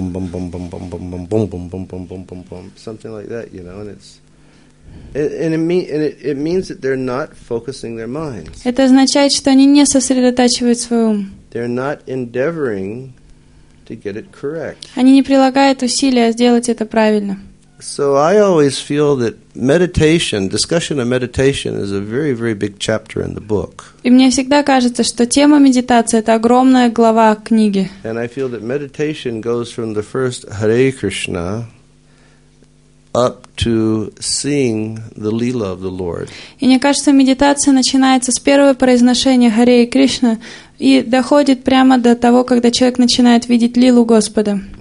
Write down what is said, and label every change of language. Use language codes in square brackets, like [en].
[en] Something like that, you know, and it's and it means that they're not focusing their minds. [ru] Это означает, что они не сосредотачивают свой ум. [en] They're not endeavoring to get it correct. [ru] Они не прилагают усилия сделать это правильно. [en] So I always feel that meditation, discussion of meditation is a very, very big chapter in the book. [ru] И мне всегда кажется, что тема медитации — это огромная глава книги. [en] And I feel that meditation goes from the first Hare Krishna up to seeing the Leela of the Lord. [ru] И мне кажется, медитация начинается с первого произношения Hare Krishna и доходит прямо до того, когда человек начинает видеть лилу Господа.